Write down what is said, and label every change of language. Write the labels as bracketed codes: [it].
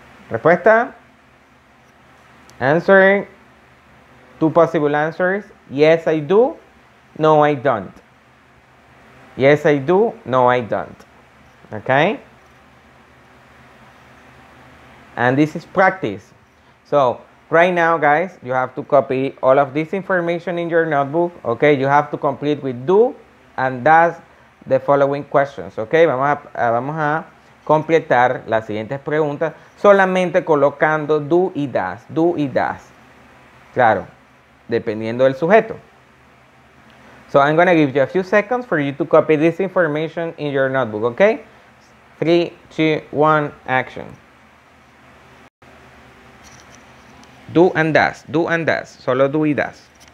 [en] Respuesta. Answer. Two possible answers. Yes, I do. No, I don't. Yes, I do. No, I don't. Okay? And this is practice. So, right now, guys, you have to copy all of this information in your notebook. Okay? You have to complete with do and does the following questions. Okay? [es] Vamos a completar las siguientes preguntas solamente colocando do y das, do y das. Claro, dependiendo del sujeto. [en] So I'm going to give you a few seconds for you to copy this information in your notebook, okay? 3, 2, 1, action. Do and das, [es] solo do y das.